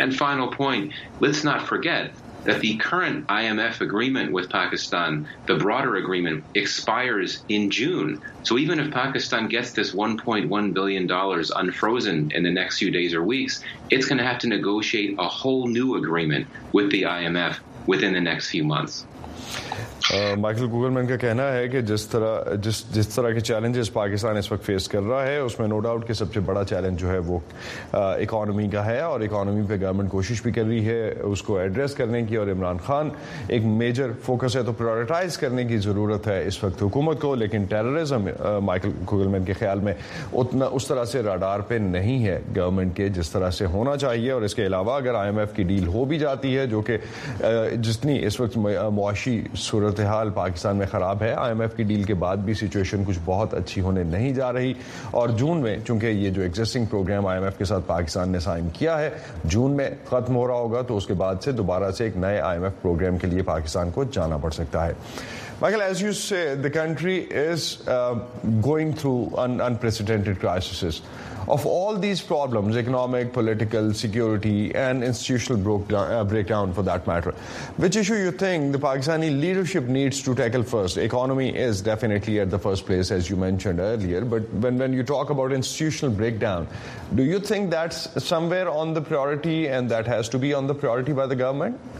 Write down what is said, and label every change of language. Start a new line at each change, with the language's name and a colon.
English: And final point, let's not forget that the current IMF agreement with Pakistan, the broader agreement, expires in June. So even if Pakistan gets this $1.1 billion unfrozen in the next few days or weeks, it's going to have to negotiate a whole new agreement with the IMF within the next few months.
Urdu: Michael گوگلمین کا کہنا ہے کہ جس طرح کے challenges Pakistan اس وقت face کر رہا ہے اس میں نو ڈاؤٹ کہ سب سے بڑا چیلنج جو ہے وہ اکانومی کا ہے اور اکانومی پہ گورنمنٹ کوشش بھی کر رہی ہے اس کو ایڈریس کرنے کی اور عمران خان ایک میجر فوکس ہے تو پرائیورٹائز کرنے کی ضرورت ہے اس وقت حکومت کو لیکن ٹیررزم مائیکل گوگلمین کے خیال میں اتنا اس طرح سے راڈار پہ نہیں ہے گورنمنٹ کے جس طرح سے ہونا چاہیے اور اس کے علاوہ اگر آئی ایم ایف کی ڈیل ہو بھی جاتی ہے جو کہ جتنی اس وقت معاشی صورت حال پاکستان میں خراب ہے آئی ایم ایف کی ڈیل کے بعد بھی سچویشن کچھ بہت اچھی ہونے نہیں جا رہی اور جون میں چونکہ یہ جو existing programme I am F کے ساتھ پاکستان نے سائن کیا ہے جون میں ختم ہو رہا ہوگا تو اس کے بعد سے دوبارہ سے ایک نئے آئی ایم ایف پروگرام کے لیے پاکستان کو جانا پڑ سکتا ہے
English: Michael, as you say, the country is going through unprecedented crises. Of all these problems, economic, political, security, and institutional breakdown for that matter, which issue you think the Pakistani leadership needs to tackle first? Economy is definitely at the first place, as you mentioned earlier. But when you talk about institutional breakdown, do you think that's somewhere on the priority and that has to be on the priority by the government?